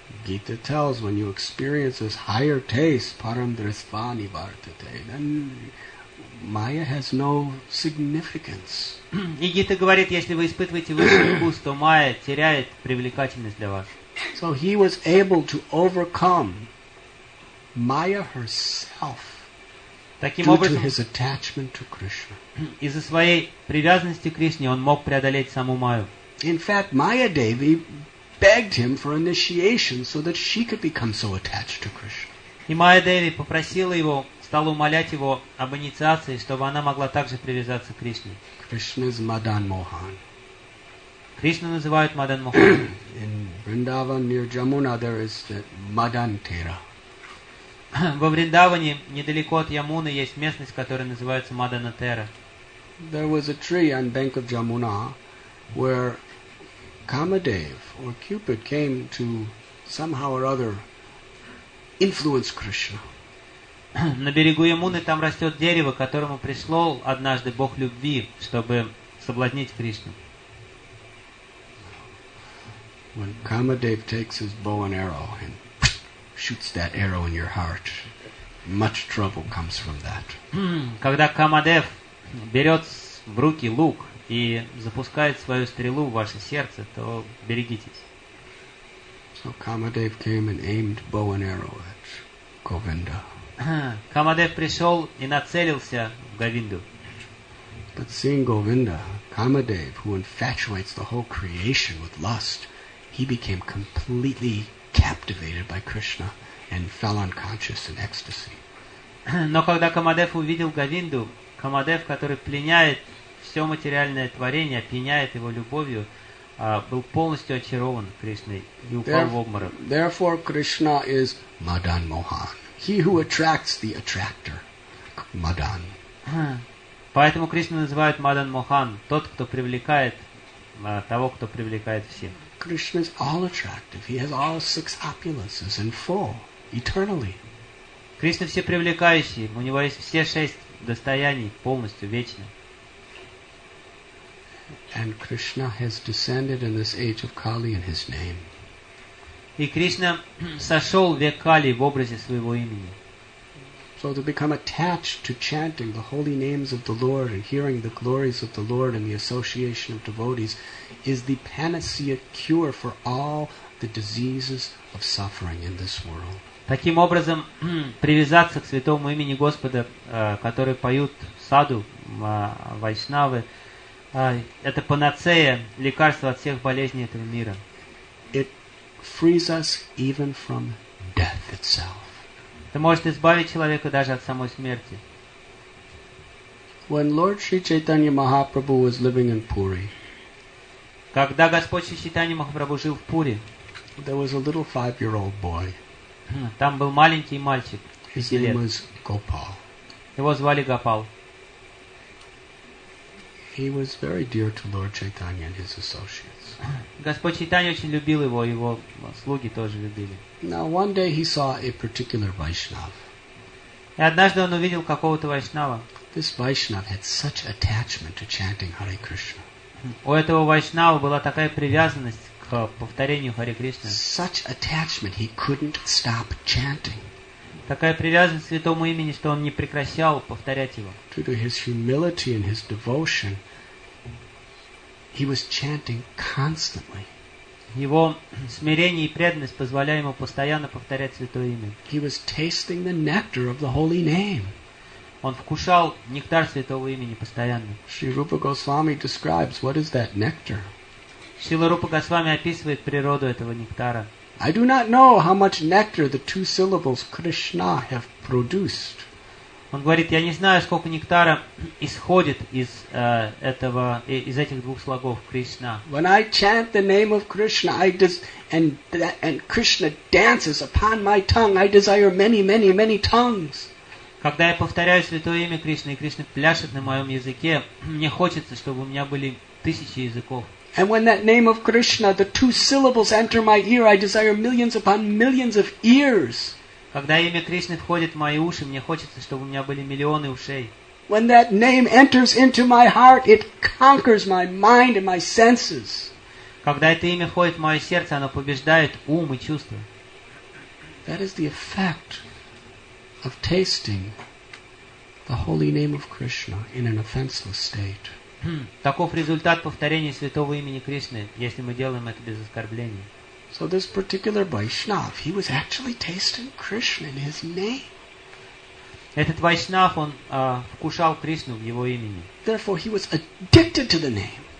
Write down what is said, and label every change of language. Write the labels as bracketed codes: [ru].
[en] Gita tells when you experience this higher taste, [sa] param drisva nivartate, [en] then maya has no significance. [ru] И Гита говорит, если вы испытываете высший вкус, то майя теряет привлекательность для вас. [en] So he was able to overcome Maya herself due to his attachment to Krishna. [ru] Из-за своей привязанности к Кришне он мог преодолеть саму Майю. [en] In fact, Maya Devi begged him for initiation so that she could become so attached to Krishna. [ru] И Майя Деви попросила его, стала умолять его об инициации, чтобы она могла также привязаться к Кришне. [en] Krishna is Madan Mohan. [ru] Кришну называют Мадан Мохан. [en] In Vrindavan near Jamuna there is the Madan Tera. [ru] Во Вриндаване, недалеко от Ямуны, есть местность, которая называется Мадана Тера. [en] There was a tree on the bank of Jamuna where Kamadev or Cupid came to somehow or other influence Krishna. [ru] На берегу Ямуны там растет дерево, которому прислал однажды Бог любви, чтобы соблазнить Кришну. [en] When Kamadev takes his bow and arrow and shoots that arrow in your heart, much trouble comes from that. [ru] Когда Камадев берет в руки лук и запускает свою стрелу в ваше сердце, то берегитесь. [en] So Kamadev came and aimed bow and arrow at Govinda. [ru] Камадев пришел и нацелился в Говинду. [en] But seeing Govinda, Kamadev, who infatuates the whole creation with lust, he became completely captivated by Krishna and fell unconscious in ecstasy. [ru] Но когда Камадев увидел Говинду, Камадев, который пленяет все материальное творение, пленяет его любовью, был полностью очарован Кришной и упал в обморок. [en] Therefore, Krishna is Madan Mohan, he who attracts the attractor, Madan. [ru] Поэтому Кришну называют Мадан Мохан, тот, кто привлекает того, кто привлекает всех. [en] Krishna is all attractive. He has all six opulences in full, eternally. [ru] Krishna все привлекающий. У него есть все шесть достояний полностью вечно. [en] And Krishna has descended in this age of Kali in his name. [ru] И Кришна сошел в век Кали в образе своего имени. [en] So to become attached to chanting the holy names of the Lord and hearing the glories of the Lord and the association of devotees is the panacea cure for all the diseases of suffering in this world. [ru] Таким образом, привязаться к святому имени Господа, который поют саду, вайшнавы, это панацея, лекарство от всех болезней этого мира. [en] It frees us even from death itself. [ru] Это может избавить человека даже от самой смерти. [en] When Lord Sri Chaitanya Mahaprabhu was living in Puri, [ru] когда Господь Шри Чайтанья Махапрабху жил в Пури, [en] there was a little five-year-old boy. [ru] Там был маленький мальчик. [en] His name was Gopal. [ru] Его звали Гопал. [en] He was very dear to Lord Chaitanya and his associates. [ru] Господь Чайтанья очень любил его, его слуги тоже любили. [en] Now one day he saw a particular Vaishnava. [ru] И однажды он увидел какого-то Вайшнава. [en] This Vaishnava had such attachment to chanting Hare Krishna. [ru] У этого Вайшнава была такая привязанность к повторению Харе Кришны. [en] Such attachment, he couldn't stop chanting. [ru] Такая привязанность к святому имени, что он не прекращал повторять его. [en] Due to his humility and his devotion, he was chanting constantly. [ru] Его смирение и преданность позволяли ему постоянно повторять святое имя. [en] He was tasting the nectar of the holy name. [ru] Он вкушал нектар святого имени постоянно. [en] Шри Рупа Госвами describes what is that nectar. [ru] Шрила Рупа Госвами описывает природу этого нектара. [en] I do not know how much nectar the two syllables Krishna have produced. [ru] Он говорит, я не знаю, сколько нектара исходит из этого, из этих двух слогов Кришна. [en] When I chant the name of Krishna, I and Krishna dances upon my tongue. I desire many, many, many tongues. [ru] Когда я повторяю святое имя Кришны, и Кришна пляшет на моем языке, мне хочется, чтобы у меня были тысячи языков. [en] And when that name of Krishna, the two syllables enter my ear, I desire millions upon millions of ears. [ru] Когда имя Кришны входит в мои уши, мне хочется, чтобы у меня были миллионы ушей. [en] When that name enters into my heart, it conquers my mind and my senses. [ru] Когда это имя входит в мое сердце, оно побеждает ум и чувства. [en] That is the effect of tasting the holy name of Krishna in an offenseless state. [ru] Таков результат повторения святого имени Кришны, если мы делаем это без оскорблений. [en] So this particular Vaishnav, he was actually tasting Krishna in his name. [ru] Этот Вайшнав, он вкушал Кришну в его имени. [en] Therefore, he was addicted to the name.